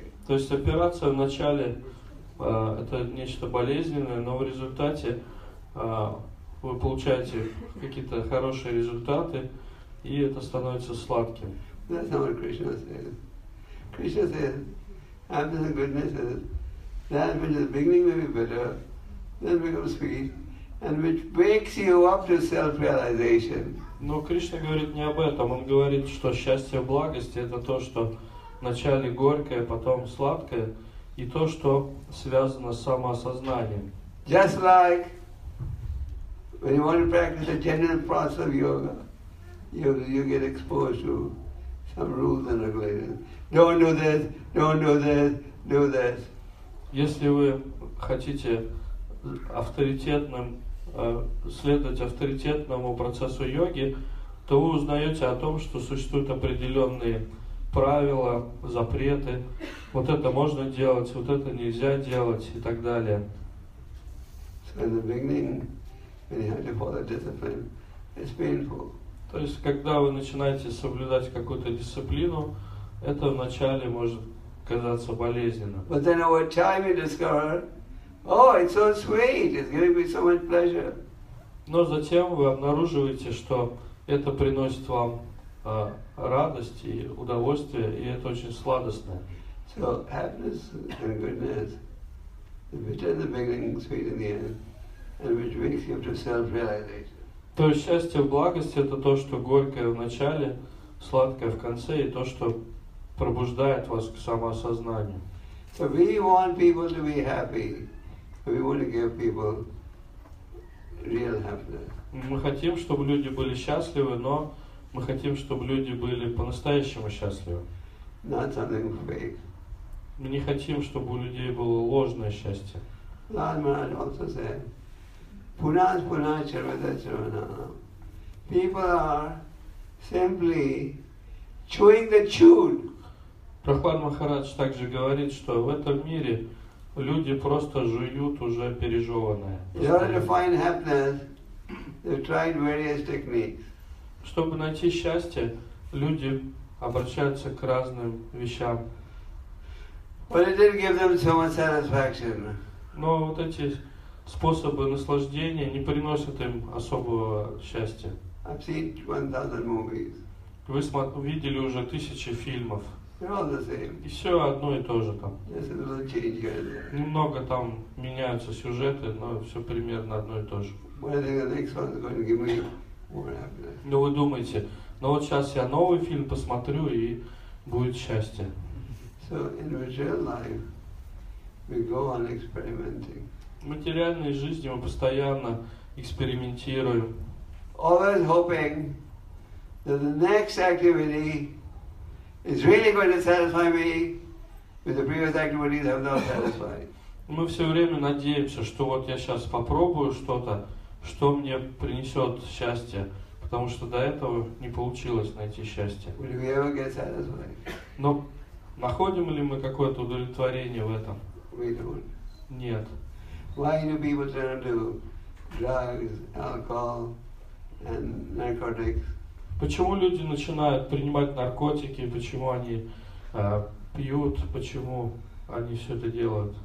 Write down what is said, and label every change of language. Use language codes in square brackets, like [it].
[ru] То есть операция в начале это нечто болезненное, но в результате вы получаете какие-то хорошие результаты, и это становится сладким. [en] That's not what Krishna says. Krishna says, happiness and goodness is that which in the beginning may be bitter, then becomes sweet, and which wakes you up to self-realization. [ru] Но Кришна говорит не об этом. Он говорит, что счастье в благости это то, что вначале горькое, потом сладкое, и то, что связано с самоосознанием. [en] Just like when you want to practice a general process of yoga, you get exposed to some rules and regulations. Don't do this, don't do this, do this. [ru] Если вы хотите авторитетным следовать авторитетному процессу йоги, то вы узнаете о том, что существуют определенные правила, запреты. Вот это можно делать, вот это нельзя делать и так далее. [en] So in the beginning, when you have to follow discipline, it's painful. [ru] То есть, когда вы начинаете соблюдать какую-то дисциплину, это вначале может казаться болезненным. [en] But then over time you discover, oh, it's so sweet, it's giving me so much pleasure. [ru] Но затем вы обнаруживаете, что это приносит вам радость и удовольствие, и это очень сладостно. [en] So happiness and goodness, the bitter in the beginning, sweet in the end, and which makes you to self-realization. [ru] То есть счастье в благости – это то, что горькое в начале, сладкое в конце, и то, что пробуждает вас к самоосознанию. [en] So we want people to be happy. We want to give people real happiness. [ru] Мы хотим, чтобы люди были счастливы, но мы хотим, чтобы люди были по-настоящему счастливы. [en] Not something fake. [ru] Мы не хотим, чтобы у людей было ложное счастье. [en] Lord Maharaj also said, [sa] Punas Punas Charvata Charvana. [en] People are simply chewing the chewed. [ru] Прохлад Махарадж также говорит, что в этом мире люди просто жуют уже пережеванное. [en] In order to find happiness, they've tried various techniques. [ru] Чтобы найти счастье, люди обращаются к разным вещам. [en] But it didn't give them so much satisfaction. [ru] Но вот эти способы наслаждения не приносят им особого счастья. [en] I've seen 1,000 movies. [ru] Вы видели уже 1,000 фильмов. [en] They're all the same. [ru] И все одно и то же там. [en] Yes, a little change here and there. [ru] Немного там меняются сюжеты, но все примерно одно и то же. [en] But I think the next one is going to give me more happiness. [ru] Ну вы думаете, ну вот сейчас я новый фильм посмотрю и будет счастье. [en] So in material life, we go on experimenting. [ru] В материальной жизни мы постоянно экспериментируем. [en] Always hoping that the next activity is really going to satisfy me, but the previous activities have not satisfied. [ru] Мы все время надеемся, что вот я сейчас попробую что-то, что мне принесет счастье, потому что до этого не получилось найти счастье. [en] Will we ever get satisfied? [ru] Но находим ли мы какое-то удовлетворение в этом? [en] We don't. [ru] Нет. [en] Why do people turn to drugs, alcohol, and narcotics? [ru] Почему люди начинают принимать наркотики, почему они пьют, почему они все это делают?